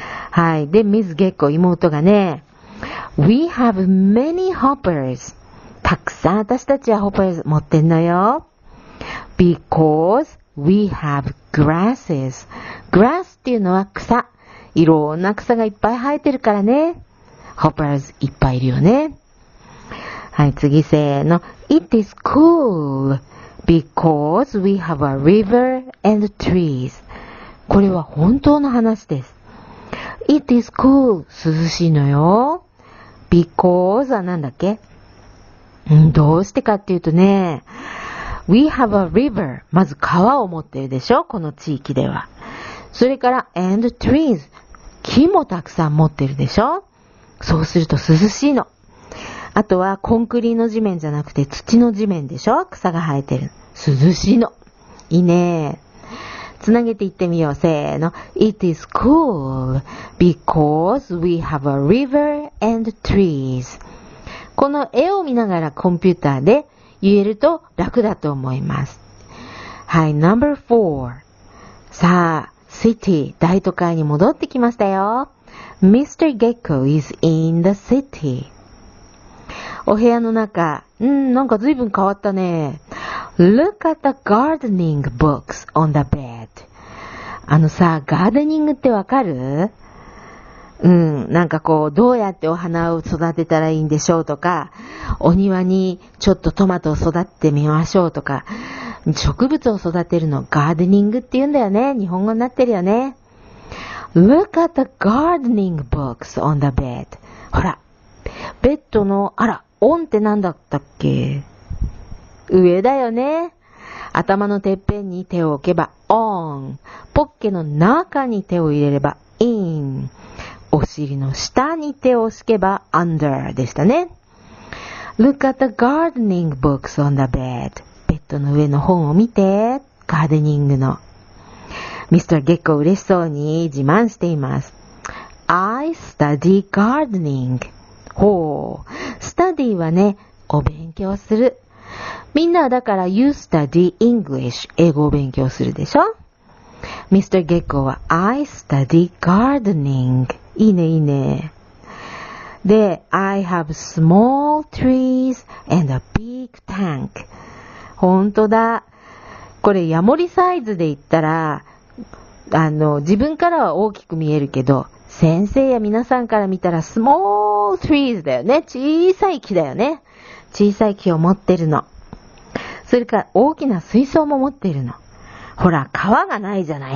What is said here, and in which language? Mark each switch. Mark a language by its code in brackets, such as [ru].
[ja] はい。で、ミズゲッコ妹がね、 [en] We have many hoppers。 [ja] たくさん私たちは hoppers 持ってんのよ。 [en] Because、We have grasses. [ja] Grass っていうのは草。いろんな草がいっぱい生えてるからね。 Hoppers いっぱいいるよね。はい、次せーの。 [en] It is cool because we have a river and trees. [ja] これは本当の話です。 [en] It is cool. [ja] 涼しいのよ。Because はなんだっけ？どうしてかっていうとね。 [en] We have a river. [ja] まず川を持ってるでしょ、この地域では。それから [en] and trees. [ja] 木もたくさん持ってるでしょ。そうすると涼しいの。あとはコンクリの地面じゃなくて土の地面でしょ、草が生えてる。涼しいの。いいね。つなげていってみよう。せーの。 [en] It is cool because we have a river and trees. [ja] この絵を見ながらコンピューターで言えると楽だと思います。はい、 [en] number four。 [ja] さあ、city、大都会に戻ってきましたよ。Mr. [en] Gecko is in the city。 [ja] お部屋の中、なんか随分変わったね。 [en] Look at the gardening books on the bed。 [ja] あのさ、ガーデニングってわかる？なんかこう、どうやってお花を育てたらいいんでしょうとか、お庭にちょっとトマトを育ててみましょうとか、植物を育てるのガーデニングって言うんだよね。日本語になってるよね。 [en] Look at the gardening books on the bed. [ja] ほら、ベッドの、あら、オンって何だったっけ？上だよね。頭のてっぺんに手を置けば、オン。ポッケの中に手を入れれば、イン。お尻の下に手を敷けば under でしたね。 [en] Look at the gardening books on the bed. [ja] ベッドの上の本を見て、ガーデニングの。 Mr. Gecko 嬉しそうに自慢しています。 [en] I study gardening. [ja] ほう。study はね、お勉強する。みんなだから [en] you study English. [ja] 英語を勉強するでしょ？ Mr. Gecko は [en] I study gardening. [ja] いいね、いいね。 [en] で、I have small trees and a big tank. [ja] 本当だ。これ、ヤモリサイズで言ったら、自分からは大きく見えるけど、先生や皆さんから見たら、 [en] small trees [ja] だよね。小さい木だよね。小さい木を持ってるの。それから、大きな水槽も持ってるの。ほら、川がないじゃない。